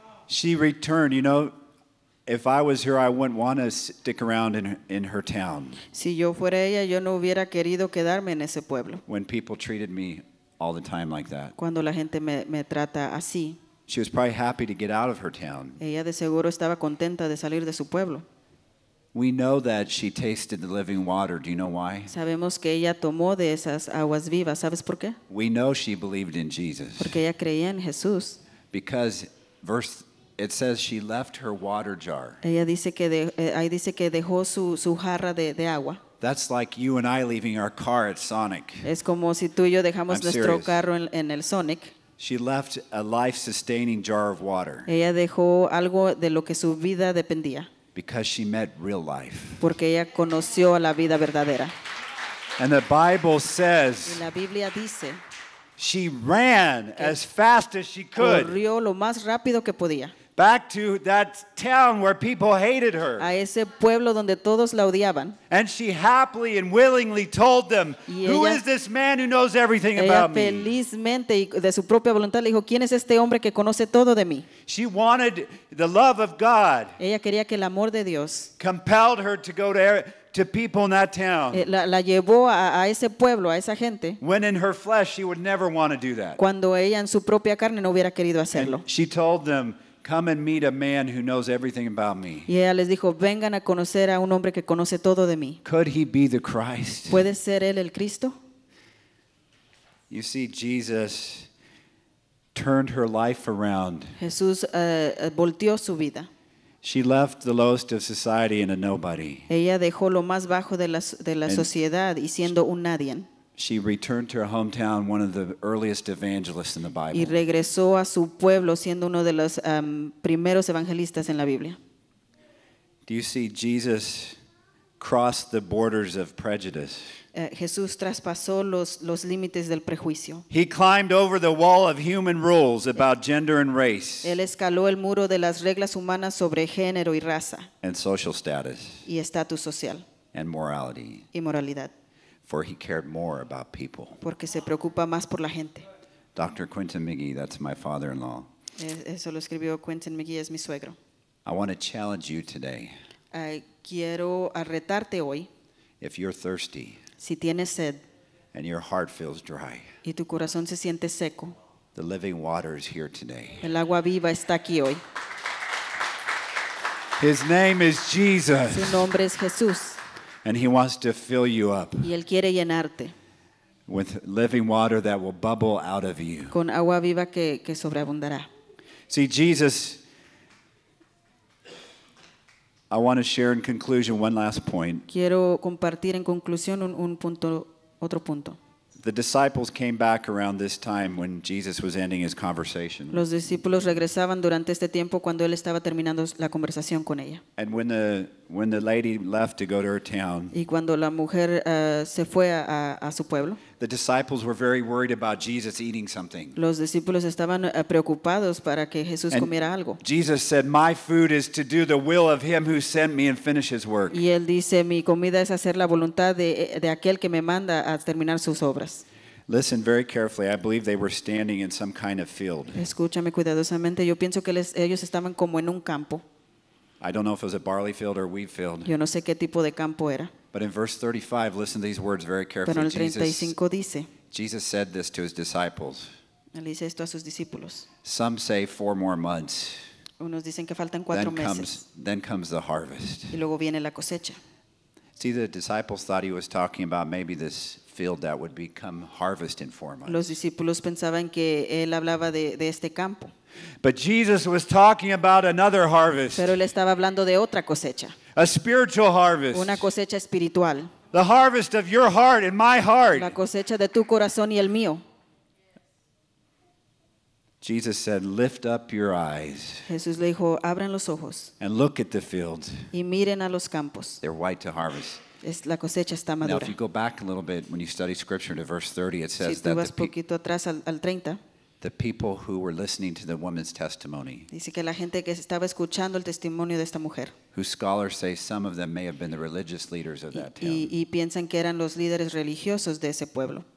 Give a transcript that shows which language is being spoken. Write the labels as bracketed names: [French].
[English] She returned. You know, if I was her, I wouldn't want to stick around in her town. [Spanish] Si yo fuera ella, yo no hubiera querido quedarme en ese pueblo. [English] When people treated me all the time like that. [Spanish] Cuando la gente me trata así. [English] She was probably happy to get out of her town. [Spanish] Ella de seguro estaba contenta de salir de su pueblo. [English] We know that she tasted the living water. Do you know why? [Spanish] Sabemos que ella tomó de esas aguas vivas. ¿Sabes por qué? [English] We know she believed in Jesus. [Spanish] Porque ella creía en Jesús. [English] Because it says she left her water jar. [Spanish] Ella dice que dejó su jarra de agua. [English] That's like you and I leaving our car at Sonic. [Spanish] Es como si tú y yo dejamos nuestro carro en el Sonic. [English] She left a life-sustaining jar of water. [Spanish] Ella dejó algo de lo que su vida dependía. [English] Because she met real life. [Spanish] Porque ella conoció a la vida verdadera. [English] And the Bible says. [Spanish] Y la Biblia dice. [English] She ran as fast as she could. [Spanish] Corrió lo más rápido que podía. [English] back to that town where people hated her. [Spanish] A ese pueblo donde todos la odiaban. [English] And she happily and willingly told them, "Who is this man who knows everything about me?" [Spanish] Felizmente y de su propia voluntad le dijo, "¿Quién es este hombre que conoce todo de mí?" [English] She wanted the love of God. [Spanish] Ella quería que el amor de Dios. [English] Compelled her to go to people in that town. [Spanish] La llevó a ese pueblo, a esa gente. [English] When in her flesh she would never want to do that. [Spanish] Cuando ella en su propia carne no hubiera querido hacerlo. [English] And she told them, "Come and meet a man who knows everything about me." [Spanish] Y ella les dijo, "Vengan a conocer a un hombre que conoce todo de mí." [English] Could he be the Christ? [Spanish] ¿Puede ser él el Cristo? [English] You see, Jesus turned her life around. [Spanish] Jesús volteó su vida. [English] She left the lowest of society and a nobody. [Spanish] Ella dejó lo más bajo de la sociedad y siendo un nadie. [English] She returned to her hometown, one of the earliest evangelists in the Bible. [Spanish] Y regresó a su pueblo siendo uno de los primeros evangelistas en la Biblia. [English] Do you see Jesus crossed the borders of prejudice? [Spanish] Jesús traspasó los límites del prejuicio. [English] He climbed over the wall of human rules about gender and race. [Spanish] Él escaló el muro de las reglas humanas sobre género y raza. [English] And social status. [Spanish] Y estatus social. [English] And morality. [Spanish] Y moralidad. [English] For he cared more about people. [Spanish] Porque se preocupa más por la gente. [English] Dr. Quentin McGee, that's my father-in-law. [Spanish] Eso lo escribió Quentin McGee, es mi suegro. [English] I want to challenge you today. [Spanish] Quiero retarte hoy. [English] If you're thirsty. [Spanish] Si tienes sed. [English] And your heart feels dry. [Spanish] Y tu corazón se siente seco. [English] The living water is here today. [Spanish] El agua viva está aquí hoy. [English] His name is Jesus. [Spanish] Su nombre es Jesús. [English] And he wants to fill you up. [Spanish] Y él quiere llenarte. [English] With living water that will bubble out of you. [Spanish] Con agua viva que sobreabundará. [English] See, Jesus, I want to share in conclusion one last point. [Spanish] Quiero compartir en conclusión un punto, otro punto. [English] The disciples came back around this time when Jesus was ending his conversation. [Spanish] Los discípulos regresaban durante este tiempo cuando él estaba terminando la conversación con ella. [English] And when the lady left to go to her town. [Spanish] Y cuando la mujer se fue a su pueblo. [English] The disciples were very worried about Jesus eating something. [Spanish] Los discípulos estaban preocupados para que Jesús comiera algo. [English] Jesus said, "My food is to do the will of him who sent me and finish his work." [Spanish] Y él dice, "Mi comida es hacer la voluntad de aquel que me manda a terminar sus obras." [English] Listen very carefully. I believe they were standing in some kind of field. [Spanish] Escúchame cuidadosamente. Yo pienso que ellos estaban como en un campo. [English] I don't know if it was a barley field or a wheat field. [Spanish] Yo no sé qué tipo de campo era. [English] But in verse 35, listen to these words very carefully. [Spanish] Pero en el 35 dice, [English] Jesus said this to his disciples. [Spanish] Él dice esto a sus discípulos. [English] Some say 4 more months. [Spanish] Unos dicen que faltan 4 meses. [English] Then comes the harvest. [Spanish] Y luego viene la cosecha. [English] See, the disciples thought he was talking about maybe this field that would become harvest in 4 months. [Spanish] Los discípulos pensaban que él hablaba de este campo. [English] But Jesus was talking about another harvest. [Spanish] Pero él estaba hablando de otra cosecha. [English] A spiritual harvest. [Spanish] Una cosecha espiritual. [English] The harvest of your heart and my heart. [Spanish] La cosecha de tu corazón y el mío. [English] Jesus said, "Lift up your eyes." [Spanish] Jesús le dijo, "Abran los ojos." [English] And look at the fields. [Spanish] Y miren a los campos. [English] They're white to harvest. [Spanish] La cosecha está madura. [English] Now, if you go back a little bit when you study scripture to verse 30, it says [Spanish] si tú vas poquito atrás al 30. [English] The people who were listening to the woman's testimony. [Spanish] Dice que la gente que estaba escuchando el testimonio de esta mujer. [English] Whose scholars say some of them may have been the religious leaders of that town. [Spanish] Y piensan que eran los líderes religiosos de ese pueblo.